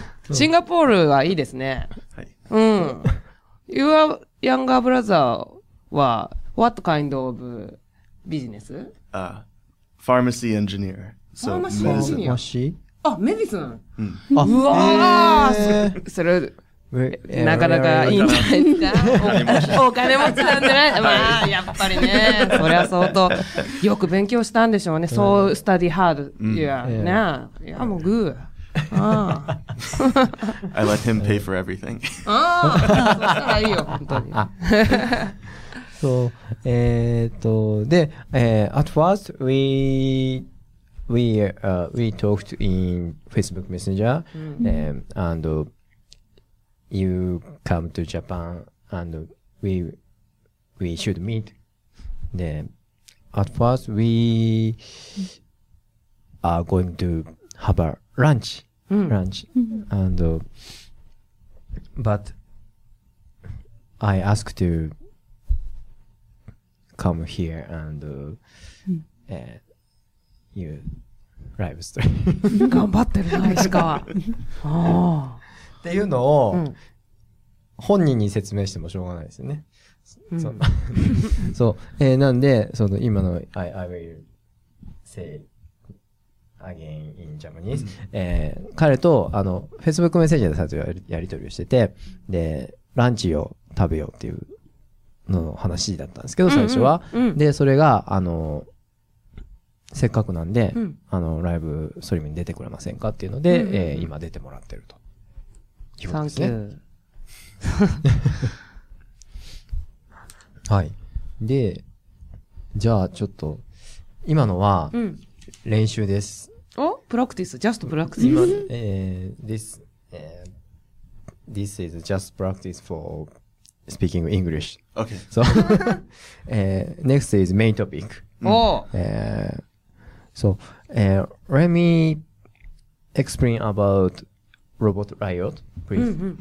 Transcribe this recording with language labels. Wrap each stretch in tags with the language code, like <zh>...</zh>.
<ja>シンガポールはいいですね。はい。うん。</ja> <en>Your younger brother は、what kind of business? Pharmacy engineer. So, medicine.</en> <ja>あ、メディスン。うわぁ、それ、なかなかいいんじゃないですか。お金持ちなんじゃない? まあ、やっぱりね。そりゃ相当、よく勉強したんでしょうね。</ja> <en>So study hard. Yeah.</en> <ja>ねえ。いや、もう</ja> <en>good. I let him pay for everything.</en> <ja>ああ、そしたらいいよ、本当に。そう、で、</ja> <en>at first, we talked in Facebook Messenger,、and you come to Japan, and we should meet.</en> <ja>で、</ja> <en>at first, we are going to have a lunch. Lunch. And, but I asked to come here and, you live stream.</en> <ja>頑張ってるな、石川。っていうのを、本人に説明してもしょうがないですよね。そう。なんで、その今の</ja> <en>I will say,again in Japanese.、</en> <ja>彼と、Facebook メッセージで最初やり取りをしてて、で、ランチを食べようっていうのの話だったんですけど、最初は。で、それが、せっかくなんで、ライブストリームに出てくれませんかっていうので、今出てもらってると。気持ちいい。はい。で、じゃあちょっと、今のは、練習です。お、プラクティス、just プラクティス。</ja> <en>今、this is just practice for speaking English. Okay. So, next is main topic. Oh. So, let me explain about Robot Riot, please.</en>